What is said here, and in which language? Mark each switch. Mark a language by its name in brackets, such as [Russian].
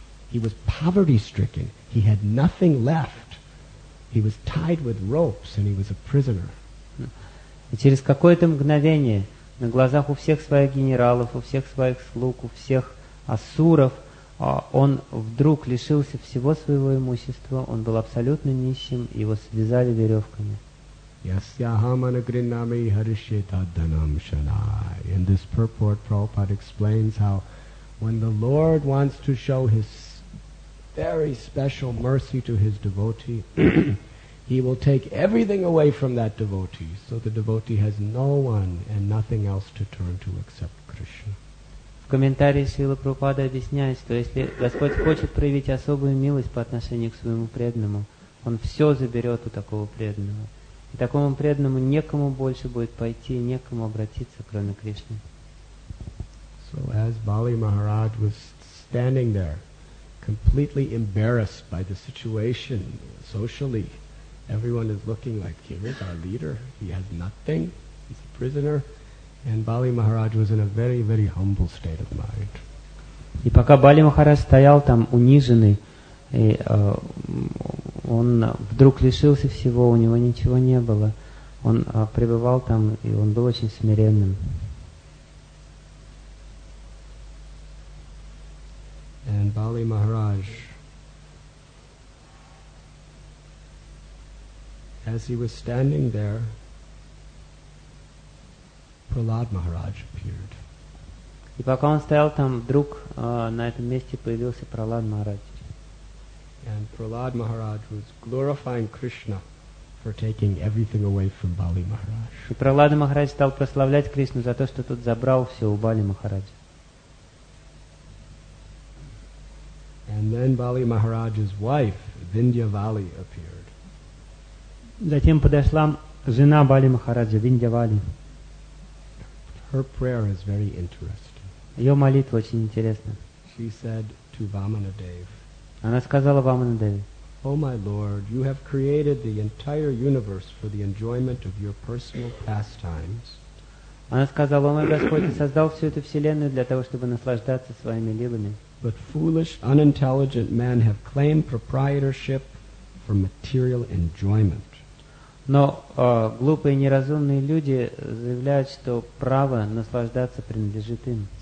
[English] He was poverty-stricken. He had nothing left. He was tied with ropes, and he was a prisoner. [Russian] И через какое-то мгновение на глазах у всех своих генералов, у всех своих слуг, у всех асуров он вдруг лишился всего своего имущества. Он был абсолютно нищим, и его связали веревками. [Sanskrit] Ясяхаманагринами харишетадданам шанай. [English] In this purport, Prabhupada explains how, when the Lord wants to show His very special mercy to his devotee, he will take everything away from that devotee, so the devotee has no one and nothing else to turn to except Krishna. [Russian] В комментарии Шрила Прабхупада объясняет, что если Господь хочет проявить особую милость по отношению к своему преданному, Он все заберет у такого преданного. И такому преданному некому больше будет пойти, некому обратиться, кроме Кришны. [English] So as Bali Maharaj was standing there, completely embarrassed by the situation socially, Everyone is looking like, here is our leader. He has nothing. He's a prisoner. And Bali Maharaj was in a very, very humble state of mind. [Russian] И пока Бали Махарадж стоял там униженный, и, он вдруг лишился всего, у него ничего не было. Он пребывал там, и он был очень смиренным. [English] And Bali Maharaj, as he was standing there, Prahlad Maharaj appeared. [Russian] И пока он стоял там, вдруг на этом месте появился Прахлад Махарадж. [English] And Prahlad Maharaj was glorifying Krishna for taking everything away from Bali Maharaj. [Russian] И Прахлад Махарадж стал прославлять Кришну за то, что тот забрал все у Бали Махараджа. [English] And then Bali Maharaj's wife, Vindhyavali, appeared. [Russian] Затем подошла жена Бали Махараджа, Виндьявали. [English] Her prayer is very interesting. [Russian] Её молитва очень интересна. [English] She said to Vamanadeva. [Russian] Она сказала Vamanadeva. [English] Oh my Lord, you have created the entire universe for the enjoyment of your personal pastimes. [Russian] Она сказала: О мой Господь, ты создал всю эту вселенную для того, чтобы наслаждаться своими лилами. [English] But foolish, unintelligent men have claimed proprietorship for material enjoyment. [Russian] Но глупые неразумные люди заявляют, что право наслаждаться принадлежит им.